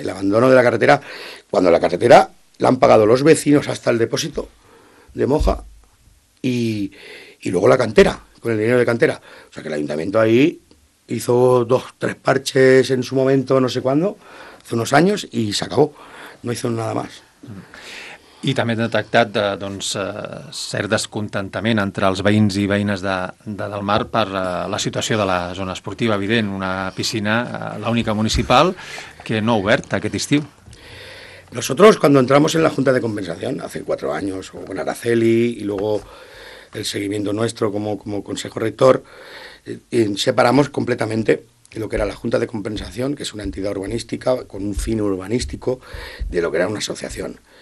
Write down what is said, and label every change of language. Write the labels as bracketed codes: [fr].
[es] El abandono de la carretera, cuando la carretera la han pagado los vecinos hasta el depósito de Moja y luego la cantera, con el dinero de cantera. O sea que el ayuntamiento ahí hizo 2-3 parches en su momento, no sé cuándo, hace unos años, y se acabó. No hizo nada más. [ca] I també hem detectat doncs, cert descontentament entre els veïns i veïnes de Del Mar per la situació de la zona esportiva, evident, una piscina, l'única municipal, que no ha obert aquest estiu. [es] Nosotros, cuando entramos en la Junta de Compensación, hace 4 años, con Araceli y luego el seguimiento nuestro como consejo rector, separamos completamente lo que era la Junta de Compensación, que es una entidad urbanística con un fin urbanístico, de lo que era una asociación.